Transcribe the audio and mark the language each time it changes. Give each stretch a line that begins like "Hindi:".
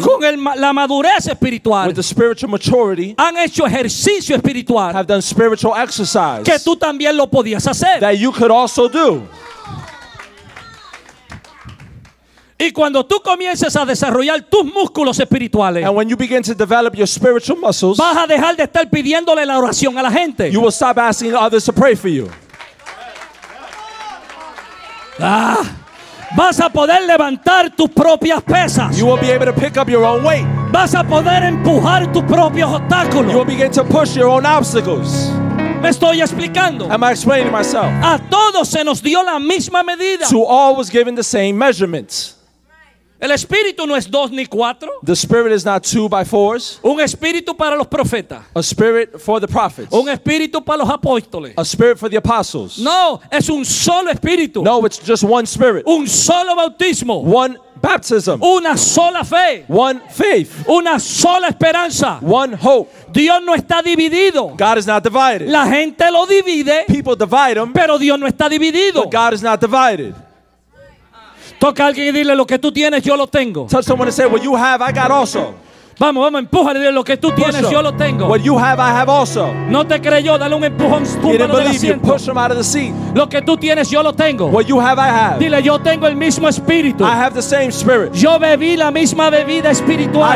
Spanish: con la madurez espiritual,
English: with the spiritual maturity,
Spanish: han hecho ejercicio espiritual,
English: have done spiritual exercise,
Spanish: que tú también lo podías hacer,
English: that you could also do.
Spanish: Y cuando tú comiences a desarrollar tus músculos espirituales,
English: and when you begin to develop your spiritual muscles,
Spanish: vas a dejar de estar pidiéndole la oración a la gente.
English: You will stop asking others to pray for you.
Spanish: Ah. Vas a poder levantar tus propias pesas.
English: You will be able to pick up your own weight.
Spanish: Vas a poder empujar tus propios obstáculos.
English: You will begin to push your own obstacles.
Spanish: ¿Me estoy explicando?
English: Am I explaining myself?
Spanish: A todos se nos dio la misma medida.
English: To all was given the same measurements.
Spanish: El espíritu no es dos ni cuatro.
English: The spirit is not two by fours.
Spanish: Un espíritu para los profetas.
English: A spirit for the prophets.
Spanish: Un espíritu para los apóstoles.
English: A spirit for the apostles.
Spanish: No, es un solo espíritu.
English: No, it's just one spirit.
Spanish: Un solo bautismo.
English: One baptism.
Spanish: Una sola fe.
English: One faith.
Spanish: Una sola esperanza.
English: One hope.
Spanish: Dios no está dividido.
English: God is not divided.
Spanish: La gente lo divide.
English: People divide them.
Spanish: Pero Dios no está dividido.
English: But God is not divided.
Spanish: Toca a alguien y dile lo que tú tienes, yo lo tengo.
English: Touch someone and say, what you have, I got also.
Spanish: Vamos, vamos, empújale y dile lo que tú tienes, yo lo tengo.
English: What you have, I have also.
Spanish: No te creyó, dale un empujón,
English: push him out of the seat.
Spanish: Lo que tú tienes, yo lo tengo.
English: What you have, I have.
Spanish: Dile, yo tengo el mismo espíritu.
English: I have the same spirit.
Spanish: Yo bebí la misma bebida espiritual.